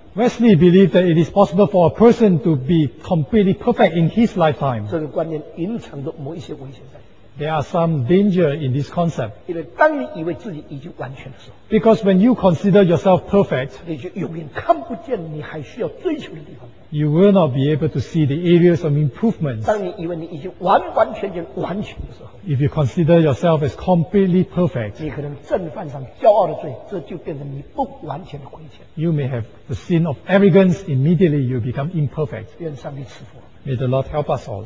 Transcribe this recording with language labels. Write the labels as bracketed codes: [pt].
[en] Wesley believed that it is possible for a person to be completely perfect in his lifetime. [zh] 这个观念隐藏着某一些危险在。 [en] There are some danger in this concept. [zh] 因为当你以为自己已经完全的时候， [en] Because when you consider yourself perfect, [zh] 你就永远看不见你还需要追求的地方。 [en] You will not be able to see the areas of improvement. [zh] 当你以为你已经完完全全完全的时候， [en] If you consider yourself as completely perfect, [zh] 你可能正犯上骄傲的罪，这就变成你不完全的亏欠。 [en] You may have the sin of arrogance. Immediately, you become imperfect. [zh] 愿上帝赐福。 [en] May the Lord help us all.